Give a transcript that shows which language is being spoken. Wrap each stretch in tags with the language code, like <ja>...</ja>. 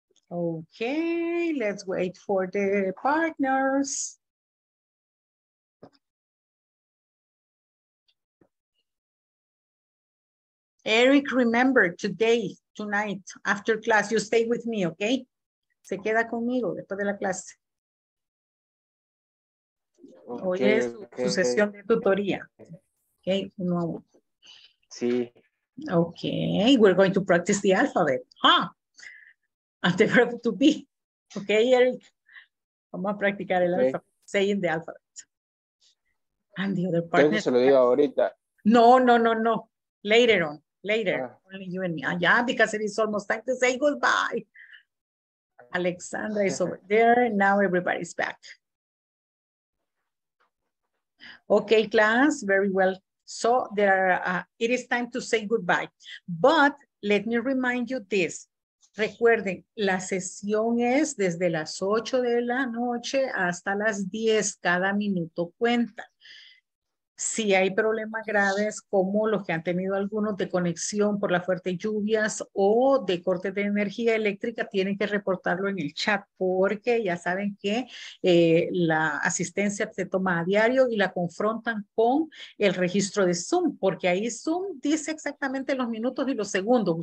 <en>Okay, let's wait for the partners. Eric, remember today, tonight, after class, you stay with me, okay?</en> <es>Se queda conmigo después de la clase. Okay, hoy es okay, su sesión de tutoría. Okay, nuevo. Sí.</es> <en>Okay, we're going to practice the alphabet, huh? I'm the verb to be. Okay, Eric.</en> <es>Vamos a practicar el alfabeto.</es> <en>Saying the alphabet. And the other partner.</en> <es>¿Se lo digo ahorita?</es> <en>No. Later. Ah. Only you and me. Ah, yeah, because it is almost time to say goodbye. Alexandra is over there. Now everybody's back. Okay, class. Very well. So there are, it is time to say goodbye. But let me remind you this.</en> <es>Recuerden, la sesión es desde las 8 de la noche hasta las 10, cada minuto cuenta. Si hay problemas graves, como los que han tenido algunos de conexión por las fuertes lluvias o de corte de energía eléctrica, tienen que reportarlo en el chat, porque ya saben que la asistencia se toma a diario y la confrontan con el registro de Zoom, porque ahí Zoom dice exactamente los minutos y los segundos.</es>